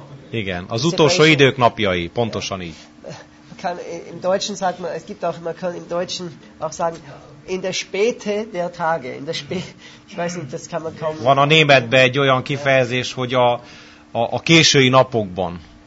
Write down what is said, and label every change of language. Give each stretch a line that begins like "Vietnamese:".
Hungarian: Igen, az utolsó idők napjai, pontosan így.
German: Im Deutschen sagt man, es gibt auch, man kann im Deutschen auch sagen, in der Späte der Tage, in der Späte, ich weiß nicht, das kann man kaum...
Hungarian: Van a németben egy olyan kifejezés, hogy a késői napokban.